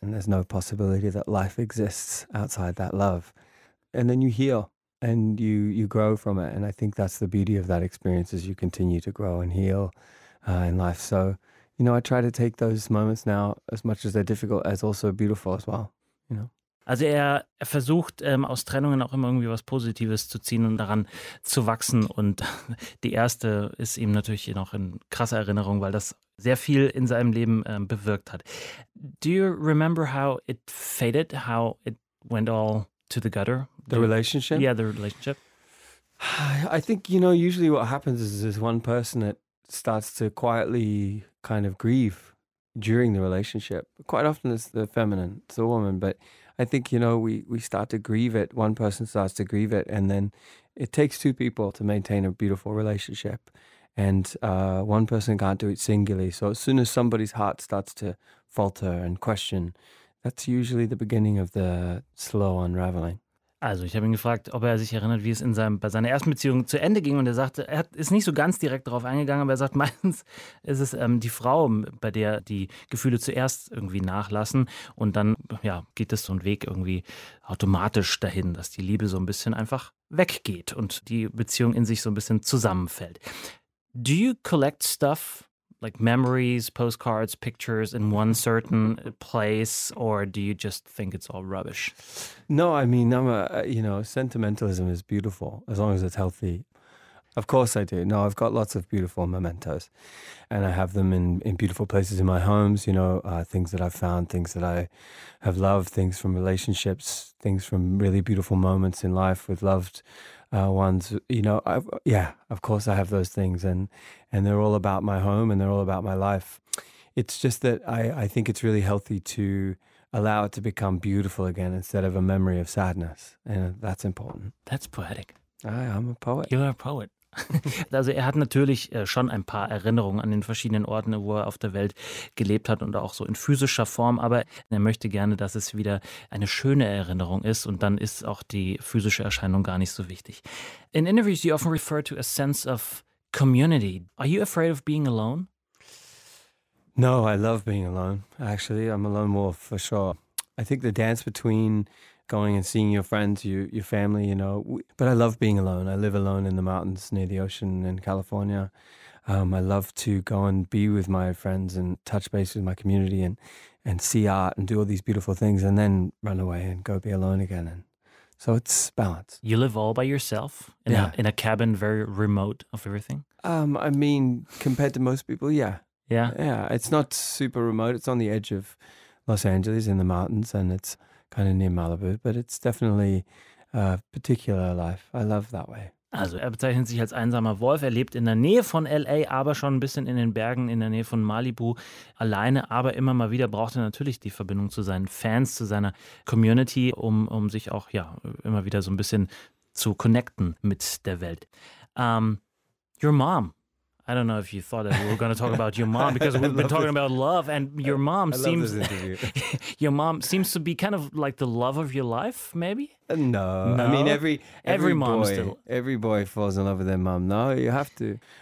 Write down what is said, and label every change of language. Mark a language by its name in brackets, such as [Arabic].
[English] And there's no possibility that life exists outside that love. And then you heal. And you grow from it. And I think that's the beauty of that experience as you continue to grow and heal in life. So, you know, I try to take those moments now, as much as they're difficult, as also beautiful as well, you know. [German] Also er versucht aus Trennungen auch immer irgendwie was Positives zu ziehen und daran zu wachsen. Und die erste ist ihm natürlich noch in krasser Erinnerung, weil das sehr viel in seinem Leben bewirkt hat. [English] Do you remember how it faded, how it went all to the gutter? The relationship? Yeah, the relationship. I think, you know, usually what happens is there's one person that starts to quietly kind of grieve during the relationship. Quite often it's the feminine, it's the woman. But I think, you know, we start to grieve it. One person starts to grieve it. And then it takes 2 people to maintain a beautiful relationship. And one person can't do it singularly. So as soon as somebody's heart starts to falter and question, that's usually the beginning of the slow unraveling. [German] Also ich habe ihn gefragt, ob er sich erinnert, wie es bei seiner ersten Beziehung zu Ende ging und er sagte, ist nicht so ganz direkt darauf eingegangen, aber er sagt, meistens ist es die Frau, bei der die Gefühle zuerst irgendwie nachlassen und dann ja, geht es so einen Weg irgendwie automatisch dahin, dass die Liebe so ein bisschen einfach weggeht und die Beziehung in sich so ein bisschen zusammenfällt. [English] Do you collect stuff like memories, postcards, pictures in one certain place, or do you just think it's all rubbish? No, I mean, I'm a, you know, sentimentalism is beautiful as long as it's healthy. Of course I do. No, I've got lots of beautiful mementos and I have them in beautiful places in my homes, you know, things that I've found, things that I have loved, things from relationships, things from really beautiful moments in life with loved ones, you know, of course I have those things and they're all about my home and they're all about my life. It's just that I think it's really healthy to allow it to become beautiful again instead of a memory of sadness. And that's important. That's poetic. I'm a poet. You're a poet. [German] Also er hat natürlich schon ein paar Erinnerungen an den verschiedenen Orten, wo er auf der Welt gelebt hat und auch so in physischer Form, aber er möchte gerne, dass es wieder eine schöne Erinnerung ist und dann ist auch die physische Erscheinung gar nicht so wichtig. [English] In interviews you often refer to a sense of community. Are you afraid of being alone? No, I love being alone. Actually, I'm a lone wolf for sure. I think the dance between going and seeing your friends, your family, you know. But I love being alone. I live alone in the mountains near the ocean in California. I love to go and be with my friends and touch base with my community and see art and do all these beautiful things and then run away and go be alone again. And so it's balance. You live all by yourself in a cabin very remote of everything? I mean, compared to most people, yeah. Yeah? Yeah, it's not super remote. It's on the edge of Los Angeles in the mountains and it's kind of near Malibu, but it's definitely a particular life. I love that way. [German] Also er bezeichnet sich als einsamer Wolf. Er lebt in der Nähe von L.A., aber schon ein bisschen in den Bergen, in der Nähe von Malibu, alleine. Aber immer mal wieder braucht er natürlich die Verbindung zu seinen Fans, zu seiner Community, um sich auch ja immer wieder so ein bisschen zu connecten mit der Welt. [English] Your mom. I don't know if you thought that we were going to talk about your mom, because we've been talking about love, and your mom seems your mom seems to be kind of like the love of your life, maybe? No. I mean, every boy falls in love with their mom. No, you have to.